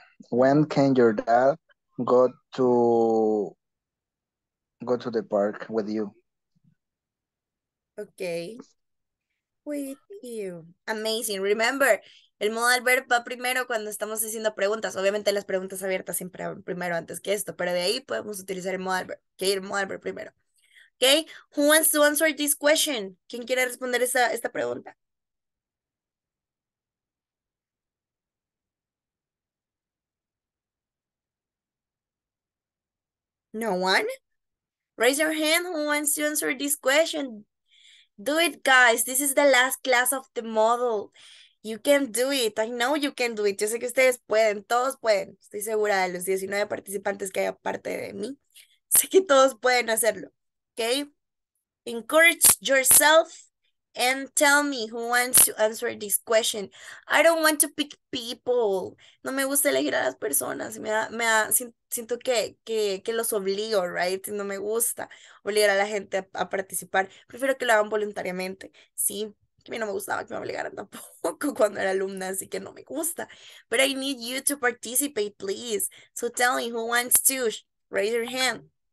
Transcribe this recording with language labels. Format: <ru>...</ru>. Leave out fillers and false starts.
<en>When can your dad go to the park with you? Okay. With you. Amazing. Remember,</en> <es>el modal verb va primero cuando estamos haciendo preguntas. Obviamente las preguntas abiertas siempre van primero antes que esto, pero de ahí podemos utilizar el modal verb.</es> <en>Okay,</en> <es>el modal verb primero.</es> <en>Okay, who wants to answer this question?</en> <es>¿Quién quiere responder esta pregunta?</es> <en>No one? Raise your hand, who wants to answer this question? Do it, guys. This is the last class of the model. You can do it. I know you can do it.</en> <es>Yo sé que ustedes pueden. Todos pueden. Estoy segura de los 19 participantes que hay aparte de mí. Sé que todos pueden hacerlo. Okay?</es> <en>Encourage yourself and tell me who wants to answer this question. I don't want to pick people.</en> <es>No me gusta elegir a las personas. Me da, siento que los obligo,</es> <en>right?</en> <es>No me gusta obligar a la gente a participar. Prefiero que lo hagan voluntariamente, ¿sí? A mí no me gustaba que me obligaran tampoco cuando era alumna, así que no me gusta.</es> <en>But I need you to participate, please. So tell me who wants to raise your hand.</en>